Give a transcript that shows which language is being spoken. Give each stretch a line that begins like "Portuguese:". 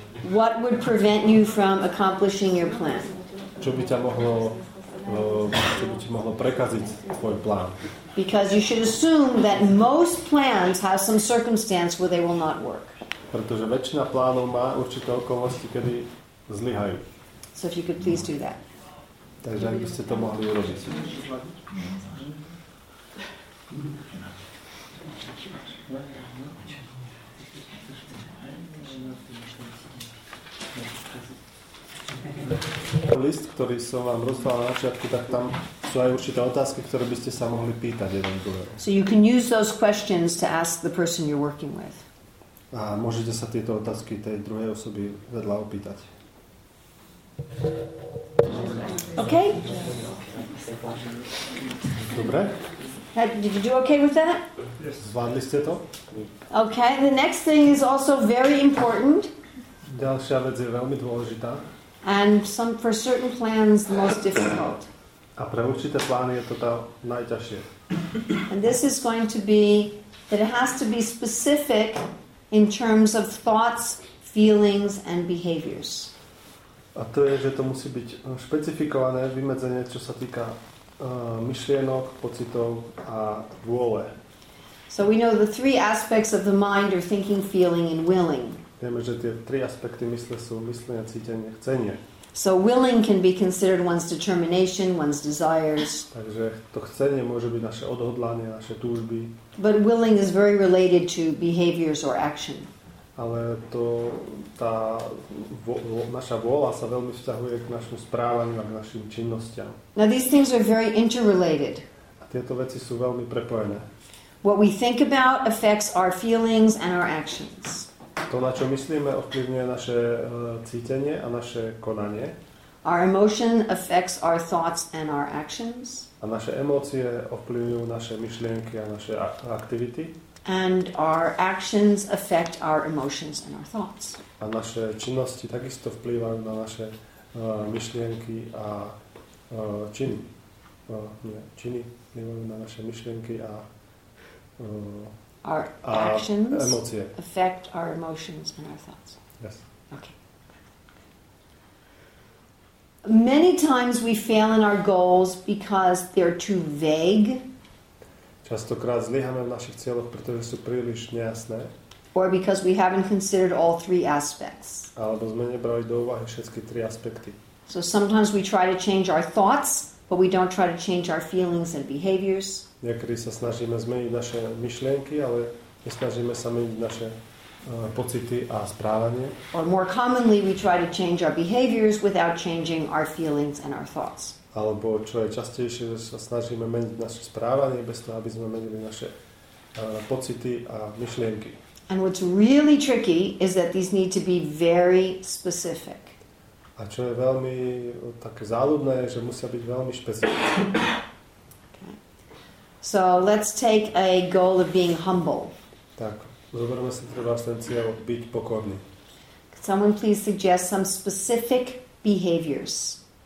English: What would prevent you from accomplishing your plan?
Slovak: Čo by ti mohlo prekaziť tvoj plán?
English: Because you should assume that most plans have some circumstance where they will not work.
Slovak: Pretože väčšina plánov má určité okolnosti, kedy zlyhajú.
English: So if you could please do that.
Slovak: Takže ak by ste to mohli urobiť. List, ktorý som vám rozdal na začiatku, tak tam sú aj určité otázky, ktoré by ste sa mohli pýtať jeden druhého.
English: So you can use those questions to ask the person you're working with.
Slovak: A môžete sa tieto otázky tej druhej osoby vedľa opýtať.
English: Okay.
Slovak: Dobre.
English: Did you do okay with that? Yes.
Slovak: Zvládli ste to?
English: Okay, the next thing is also very important.
Slovak: Ďalšia vec je veľmi dôležitá.
English: And some for certain plans the most difficult.
Slovak: A pre určité plány je to tá najťažšie.
English: And this is going to be that it has to be specific in terms of thoughts, feelings and behaviors.
Slovak: A to je, že to musí byť špecifikované vymedzenie, čo sa týka myšlienok, pocitov a vôle.
English: So we know the three aspects of the mind are thinking, feeling and willing.
Slovak: Vieme, že tie tri aspekty mysle sú myslenie, cítenie, chcenie.
English: So willing can be considered one's determination, one's desires.
Slovak: Takže to chcenie môže byť naše odhodlanie, naše túžby.
English: But willing is very related to behaviors or action.
Slovak: Ale to tá naša vôľa sa veľmi vzťahuje k našemu správaniu a k našim činnostiam.
English: Now these things are very interrelated.
Slovak: A tieto veci sú veľmi prepojené.
English: What we think about affects our feelings and our actions.
Slovak: To, na čo myslíme, ovplyvňuje naše cítenie a naše konanie.
English: Our emotion affects our thoughts and our actions.
Slovak: A naše emócie ovplyvňujú naše myšlienky a naše aktivity.
English: And our actions affect our emotions and our thoughts.
Slovak: A naše činnosti takisto vplývajú na naše myšlienky a činy. Činy vplyvajú na naše myšlienky a
English: our actions affect our emotions and our thoughts. Yes. Okay. Many times we fail in our goals because they're too vague.
Slovak: Častokrát zlyhame v našich cieľoch, pretože sú príliš nejasné.
English: Or because we haven't considered all three aspects.
Slovak: Alebo sme nebrali do úvahy všetky tri aspekty.
English: So sometimes we try to change our thoughts, but we don't try to change our feelings and behaviors.
Slovak: Niekedy sa snažíme zmeniť naše myšlienky, ale nesnažíme sa meniť naše pocity a správanie.
English: Or more commonly we try to change our behaviors without changing our feelings and our thoughts.
Slovak: Alebo čo je častejšie, že sa snažíme meniť naše správanie bez toho, aby sme menili naše pocity a myšlienky.
English: And what's really tricky is that these need to be very specific.
Slovak: A čo je veľmi také záľudné, že musia byť veľmi špecifické.
English: Okay. So let's take a goal of being humble.
Slovak: Tak, zoberme si treba ten cieľ byť pokorný.
English: Could someone please suggest some specific behaviors?